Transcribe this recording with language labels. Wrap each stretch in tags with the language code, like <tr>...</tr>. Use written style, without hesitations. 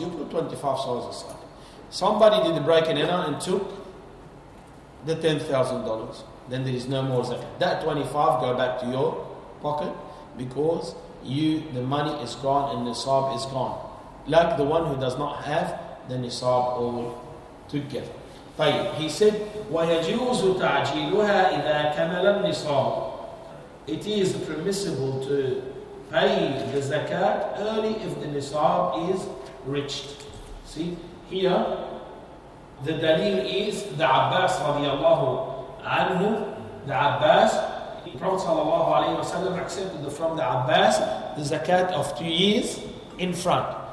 <en>You put $25 aside. Somebody did a break in Anna and took the $10,000. Then there is no more zakat. That 25 go back to your pocket, because you, the money is gone and the nisab is gone. Like the one who does not have the nisab all together.</en> <ar>طيب,</ar> <en>he said,</en> <ar>وَيَجِوزُ تَعْجِيلُهَا إِذَا كَمَلَ النِّصَابُ.</ar> <en>It is permissible to pay the zakat early if the nisab is reached. See, here the dalil is the Abbas radiallahu anhu. The Abbas, the Prophet sallallahu alayhi wa sallam accepted from the Abbas the zakat of 2 years in front.</en>